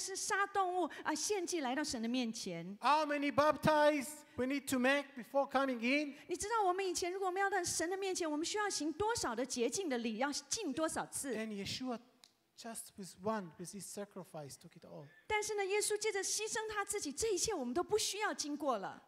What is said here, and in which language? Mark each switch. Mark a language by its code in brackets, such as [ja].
[zh] 对我来讲呢,这是一个呼召,但如今我们不再是杀动物,献祭来到神的面前. [en] How many baptized we need to make before coming in? [zh] 你知道我们以前如果我们要到神的面前,我们需要行多少的洁净的礼,要进多少次. [en] And Yeshua, just with one, with his sacrifice, took it all. [zh] 但是呢,耶稣借着牺牲他自己,这一切我们都不需要经过了.